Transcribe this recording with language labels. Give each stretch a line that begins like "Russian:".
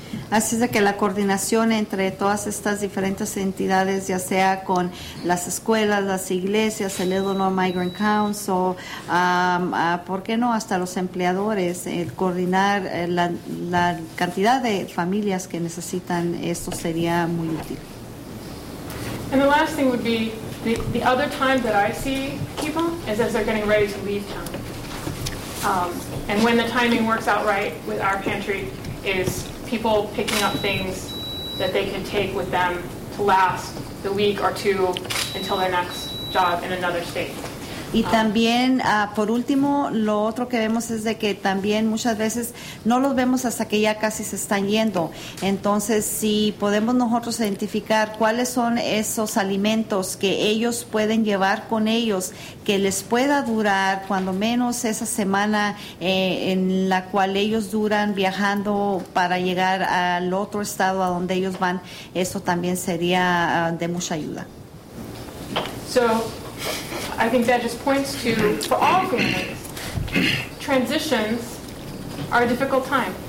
Spanish: Así es de que la coordinación entre todas estas diferentes entidades, ya sea con las escuelas, las iglesias, el Illinois Migrant Council, ¿por qué no? Hasta los empleadores, coordinar la cantidad de familias que necesitan, esto sería muy útil.
English: And the last thing would be, the other time that I see people is as they're getting ready to leave town. And when the timing works out right with our pantry is people picking up things that they can take with them to last the week or two until their next job in another state.
Spanish: Y también, por último, lo otro que vemos es de que también muchas veces no los vemos hasta que ya casi se están yendo. Entonces, si podemos nosotros identificar cuáles son esos alimentos que ellos pueden llevar con ellos, que les pueda durar cuando menos esa semana en la cual ellos duran viajando para llegar al otro estado a donde ellos van, eso también sería de mucha ayuda.
English: So, I think that just points to, for all families, transitions are a difficult time.